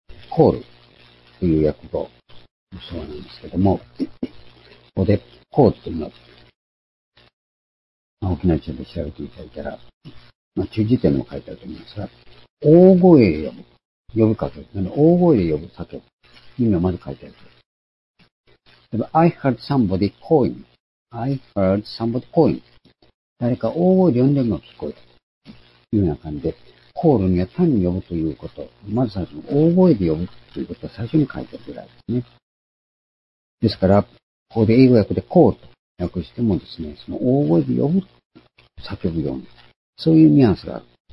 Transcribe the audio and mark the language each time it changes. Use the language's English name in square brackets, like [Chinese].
[Japanese] コールという訳語もそうなんですけども、ここでコールというのは、沖縄地方で調べていただいたら、中辞典も書いてあると思いますが、大声で呼ぶかけ、なので大声で呼ぶ叫ぶ、意味をまず書いてあると。 [English] I heard somebody calling. I heard somebody calling. [Japanese] 誰か大声で呼んでるのが聞こえた。というような感じで、コールには単に呼ぶということ、まず最初に大声で呼ぶということを最初に書いてあるぐらいですね。ですから、ここで英語訳でコールと訳してもですね、その大声で呼ぶ、叫ぶように、そういうニュアンスがある。